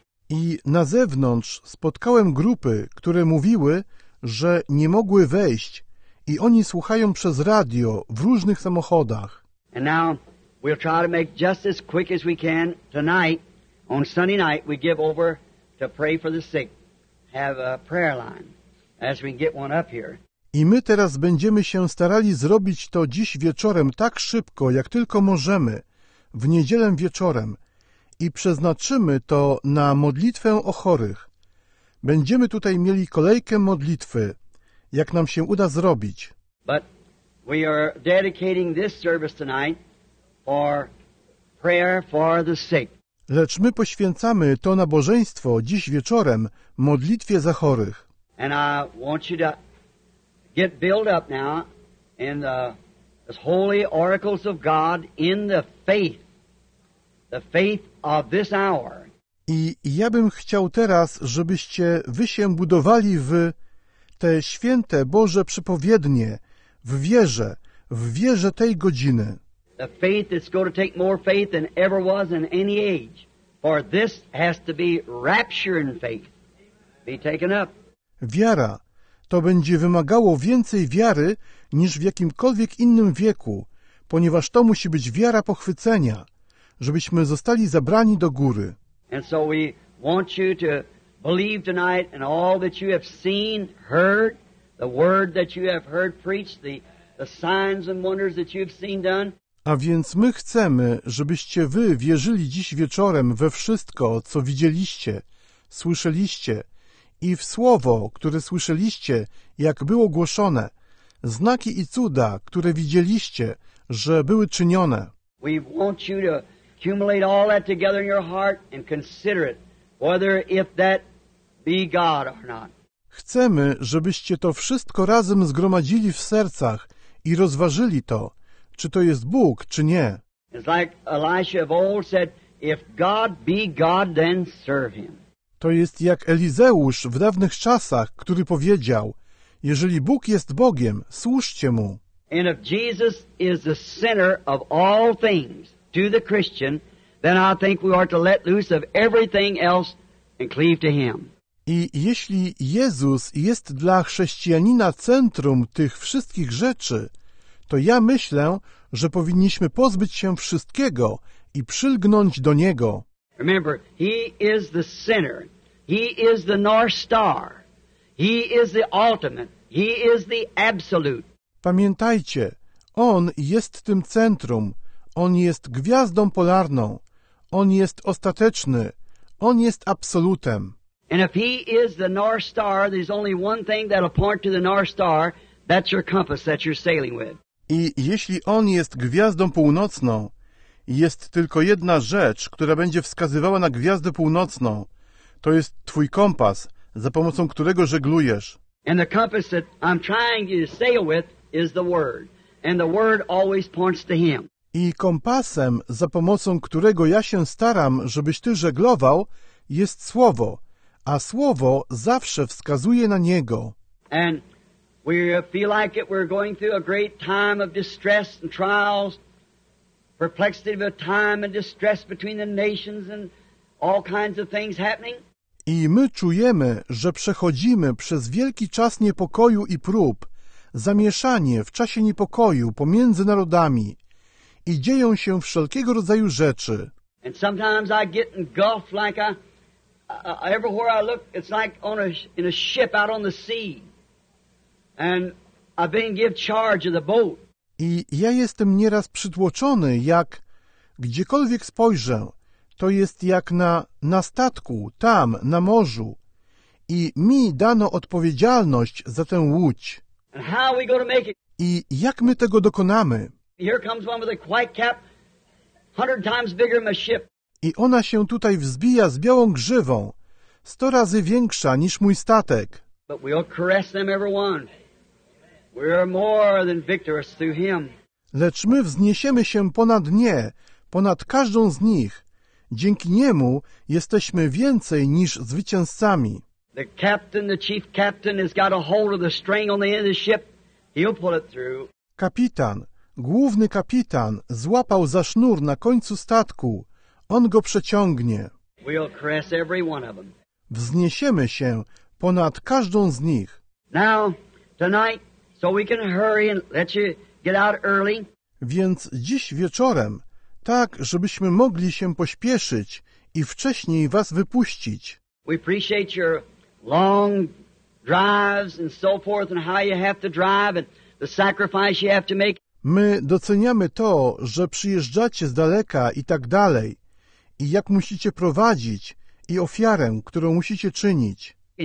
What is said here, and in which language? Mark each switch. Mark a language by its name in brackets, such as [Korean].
[Polish] I na zewnątrz spotkałem grupy, które mówiły, że nie mogły wejść i oni słuchają przez radio w różnych samochodach. [English] And now we'll try to make just as quick as we can tonight on Sunday night we give over to pray for the sick. Have a prayer line, as we get one up here. [Polish] I my teraz będziemy się starali zrobić to dziś wieczorem tak szybko, jak tylko możemy, w niedzielę wieczorem, i przeznaczymy to na modlitwę o chorych. Będziemy tutaj mieli kolejkę modlitwy, jak nam się uda zrobić. [English] But we are dedicating this service tonight for prayer for the sick. [Polish] Lecz my poświęcamy to nabożeństwo dziś wieczorem modlitwie za chorych. [English] And I want you to get built up now in the holy oracles of God in the faith of this hour. [Polish] I ja bym chciał teraz, żebyście wy się budowali w te święte Boże przepowiednie, w wierze tej godziny. [English] The faith that's going to take more faith than ever was in any age. For this has to be rapture in faith. Be taken up. [Polish] Wiara. To będzie wymagało więcej wiary niż w jakimkolwiek innym wieku, ponieważ to musi być wiara pochwycenia, żebyśmy zostali zabrani do góry. [English] And so we want you to believe tonight in all that you have seen, heard, the word that you have heard preached, the signs and wonders that you have seen done. [Polish] A więc my chcemy, żebyście wy wierzyli dziś wieczorem we wszystko, co widzieliście, słyszeliście i w słowo, które słyszeliście, jak było głoszone, znaki i cuda, które widzieliście, że były czynione. [English] We want you to accumulate all that together in your heart and consider it, whether if that be God or not. [Polish] Chcemy, żebyście to wszystko razem zgromadzili w sercach i rozważyli to, czy to jest Bóg, czy nie. [English] It's like Elisha of old said, if God be God, then serve him. [Polish] To jest jak Elizeusz w dawnych czasach, który powiedział, jeżeli Bóg jest Bogiem, służcie Mu. [English] And if Jesus is the center of all things to the Christian, then I think we are to let loose of everything else and cleave to Him. [Polish] I jeśli Jezus jest dla chrześcijanina centrum tych wszystkich rzeczy, to ja myślę, że powinniśmy pozbyć się wszystkiego i przylgnąć do Niego. [English] Remember, He is the center. He is the North Star. He is the ultimate. He is the absolute. [Polish] Pamiętajcie, On jest tym centrum. On jest gwiazdą polarną. On jest ostateczny. On jest absolutem. [English] And if He is the North Star, there's only one thing that'll point to the North Star. That's your compass that you're sailing with. [Polish] I jeśli On jest gwiazdą północną, jest tylko jedna rzecz, która będzie wskazywała na gwiazdę północną. To jest Twój kompas, za pomocą którego żeglujesz. [English] And the compass that I'm trying to sail with is the Word. And the Word always points to Him. [Polish] I kompasem, za pomocą którego ja się staram, żebyś Ty żeglował, jest Słowo. A Słowo zawsze wskazuje na Niego. [English] And we feel like it, we're going through a great time of distress and trials. Perplexity of time and distress between the nations and all kinds of things happening. [Polish] I my czujemy, że przechodzimy przez wielki czas niepokoju i prób, zamieszanie w czasie niepokoju pomiędzy narodami i dzieją się wszelkiego rodzaju rzeczy. [English] And sometimes I get engulfed like everywhere I look, it's like in a ship out on the sea. And I've been given charge of the boat. [Polish] I ja jestem nieraz przytłoczony, jak gdziekolwiek spojrzę, to jest jak na statku, tam, na morzu. I mi dano odpowiedzialność za tę łódź. [English] And how are we going to make it? [Polish] I jak my tego dokonamy? [English] Here comes one with a white cap, 100 times bigger than my ship. [Polish] I ona się tutaj wzbija z białą grzywą, 100 razy większa niż mój statek. [English] But we'll caress them every one. We are more than victorious through Him. [Polish] Lecz my wzniesiemy się ponad nie, ponad każdą z nich. Dzięki Niemu jesteśmy więcej niż zwycięzcami. [English] The captain, the chief captain has got a hold of the string on the end of the ship. He'll pull it through. [Polish] Kapitan, główny kapitan, złapał za sznur na końcu statku. On go przeciągnie. [English] We'll caress every one of them. [Polish] Wzniesiemy się ponad każdą z nich. [English] Now, tonight, so we can hurry and let you get out early. [Polish] Więc dziś wieczorem, tak żebyśmy mogli się pośpieszyć i wcześniej was wypuścić. [English] We appreciate your long drives and so forth and how you have to drive and the sacrifice you have to make. [Polish] My doceniamy to, że przyjeżdżacie z daleka i tak dalej i jak musicie prowadzić i ofiarę, którą musicie czynić.